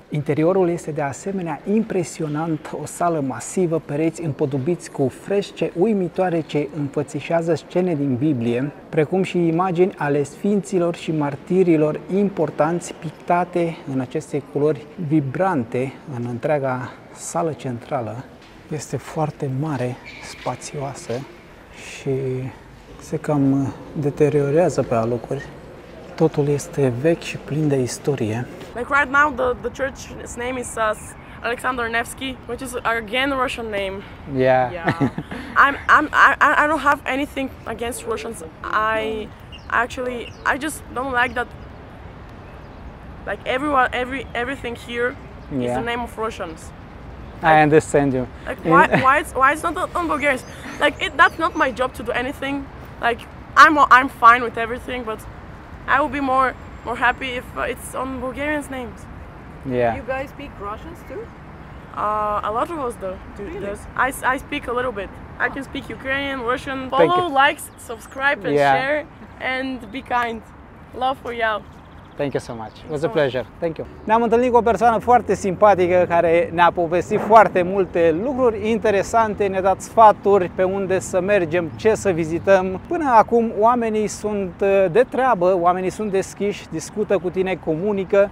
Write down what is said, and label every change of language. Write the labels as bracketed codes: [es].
[ro] Interiorul este de asemenea impresionant, o sală masivă, pereți împodubiți cu fresce uimitoare ce înfățișează scene din Biblie, precum și imagini ale sfinților și martirilor importanți pictate în aceste culori vibrante în întreaga sală centrală. Este foarte mare, spațioasă și se cam deteriorează pe alocuri. Totul este vechi și plin de istorie. [en] Like right now the church its name is Alexander Nevsky, which is again Russian name. Yeah. I don't have anything against Russians. I just don't like that. Like everything here is the name of Russians. I understand you. Like why it's not on Bulgarian? Like that's not my job to do anything. Like I'm fine with everything, but I would be more happy if it's on Bulgarian's names. Yeah. You guys speak Russians too? A lot of us do. Really? I speak a little bit. I can speak Ukrainian, Russian. Follow, like, subscribe and share and be kind. Love for y'all. Thank you so much. It was a pleasure. Thank you. [ro] Ne-am întâlnit cu o persoană foarte simpatică care ne-a povestit foarte multe lucruri interesante, ne-a dat sfaturi pe unde să mergem, ce să vizităm. Până acum oamenii sunt de treabă, oamenii sunt deschiși, discută cu tine, comunică.